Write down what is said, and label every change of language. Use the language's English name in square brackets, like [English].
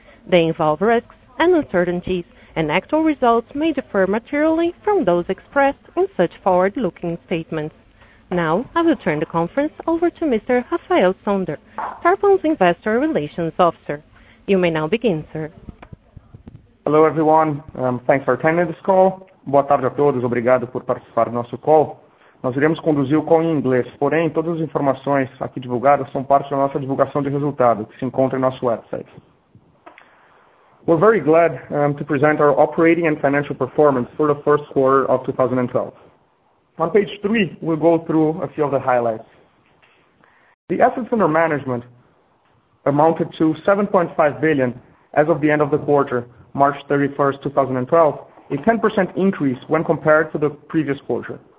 [English] They involve risks and uncertainties, and actual results may differ materially from those expressed in such forward-looking statements. Now, I will turn the conference over to Mr. Rafael Sonder, Taipum's Investor Relations Officer. You may now begin, sir. Hello, everyone. Thanks for attending this call. [Portuguese] Boa tarde a todos. Obrigado por participar do nosso call. Nós iremos conduzir o call em inglês, porém, todas as informações aqui divulgadas são parte da nossa divulgação de resultado, que se encontra em nosso website. [English] We're very glad to present our operating and financial performance for the first quarter of 2012. On page 3, we'll go through a few of the highlights. The assets under management amounted to 7.5 billion as of the end of the quarter, March 31st, 2012, a 10% increase when compared to the previous quarter.